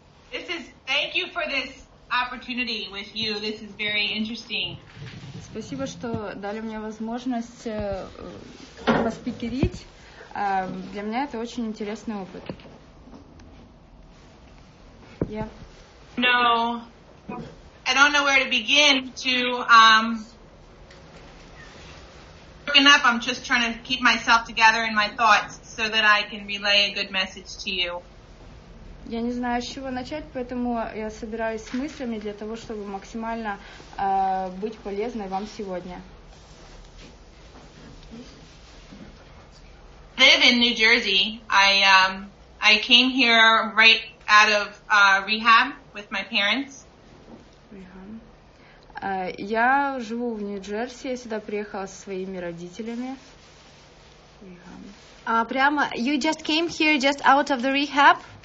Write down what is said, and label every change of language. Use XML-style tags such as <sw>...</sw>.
<en>Thank you for this opportunity with you. This is very interesting.</en> <ru>Спасибо, что дали мне возможность поспикерить. Для меня это очень интересный опыт.</ru> <en>Yeah. No, I don't know where to begin to up. I'm just trying to keep myself together in my thoughts so that I can relay a good message to you.</en> <ru>Я не знаю, с чего начать, поэтому я собираюсь с мыслями для того, чтобы максимально быть полезной вам сегодня.</ru> <en>I live in New Jersey. I came here right out of rehab with my parents.</en> <ru>Я живу в Нью-Джерси, я сюда приехала со своими родителями. Прямо,</ru> <en>you just came here just out of the rehab?</en>